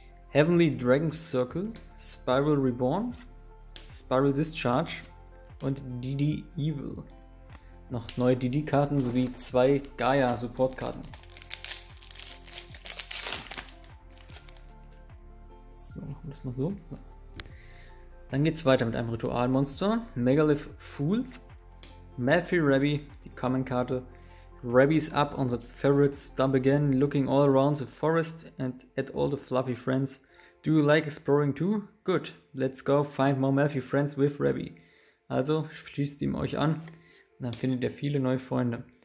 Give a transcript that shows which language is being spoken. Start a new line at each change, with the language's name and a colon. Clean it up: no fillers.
German: Heavenly Dragon Circle, Spiral Reborn, Spiral Discharge und Didi Evil. Noch neue Didi-Karten sowie zwei Gaia-Support-Karten. So, machen wir das mal so. Dann geht es weiter mit einem Ritualmonster. Megalith Fool. Melfi Rabby, die Common-Karte.
English: Rabby's up on the ferret stump again, looking all around the forest and at all the fluffy friends. Do you like exploring too? Good. Let's go find more Melfi friends with Rabby.
German: Also, schließt ihm euch an. Dann findet ihr viele neue Freunde.